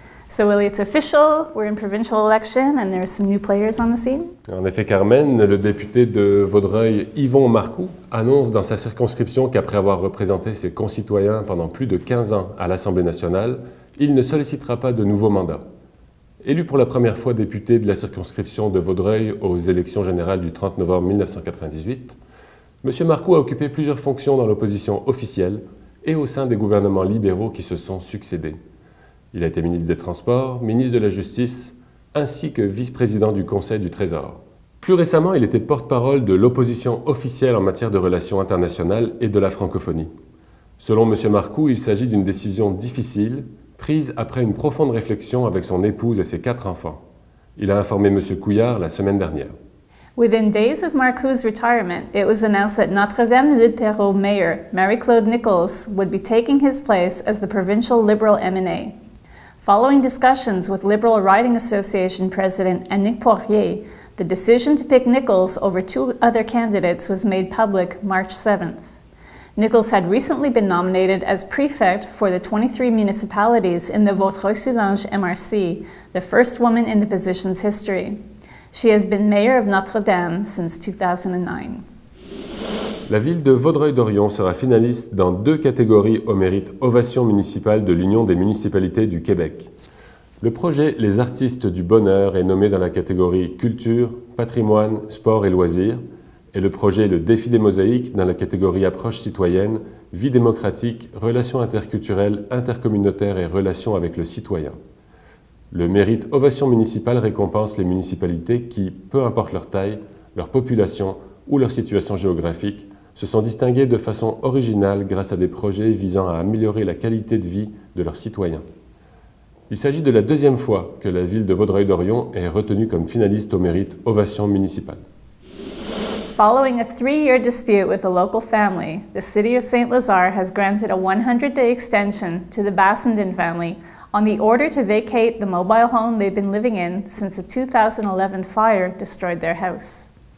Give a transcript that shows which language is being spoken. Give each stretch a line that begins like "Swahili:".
English: So Willie, it's official, we're in provincial election and there are some new players on the scene.
French: En effet Carmen, le député de Vaudreuil, Yvon Marcoux, annonce dans sa circonscription qu'après avoir représenté ses concitoyens pendant plus de 15 ans à l'Assemblée nationale, il ne sollicitera pas de nouveau mandat. Élu pour la première fois député de la circonscription de Vaudreuil aux élections générales du 30 novembre 1998, M. Marcoux a occupé plusieurs fonctions dans l'opposition officielle et au sein des gouvernements libéraux qui se sont succédés. Il a été ministre des Transports, ministre de la Justice, ainsi que vice-président du Conseil du Trésor. Plus récemment, il était porte-parole de l'opposition officielle en matière de relations internationales et de la francophonie. Selon M. Marcoux, il s'agit d'une décision difficile, prise après une profonde réflexion avec son épouse et ses quatre enfants. Il a informé M. Couillard la semaine dernière.
English: Within days of Marcoux's retirement, it was announced that Notre-Dame-de-Perreux mayor, Marie-Claude Nichols, would be taking his place as the provincial Liberal MNA. Following discussions with Liberal Riding Association president Annick Poirier, the decision to pick Nichols over two other candidates was made public March 7th. Nichols had recently been nominated as prefect for the 23 municipalities in the Vaudreuil-Soulanges MRC, the first woman in the position's history. She has been mayor of Notre-Dame since 2009.
French: La ville de Vaudreuil-Dorion sera finaliste dans deux catégories au mérite ovation municipale de l'Union des municipalités du Québec. Le projet Les artistes du bonheur est nommé dans la catégorie culture, patrimoine, sport et loisirs. Et le projet Le défi des mosaïques dans la catégorie approche citoyenne, vie démocratique, relations interculturelles, intercommunautaires et relations avec le citoyen. Le mérite ovation municipale récompense les municipalités qui, peu importe leur taille, leur population ou leur situation géographique, se sont distinguées de façon originale grâce à des projets visant à améliorer la qualité de vie de leurs citoyens. Il s'agit de la deuxième fois que la ville de Vaudreuil-Dorion est retenue comme finaliste au mérite ovation municipale.
English: Following a three-year dispute with a local family, the City of Saint-Lazare has granted a 100-day extension to the Bassenden family on the order to vacate the mobile home they've been living in since a 2011 fire destroyed their house.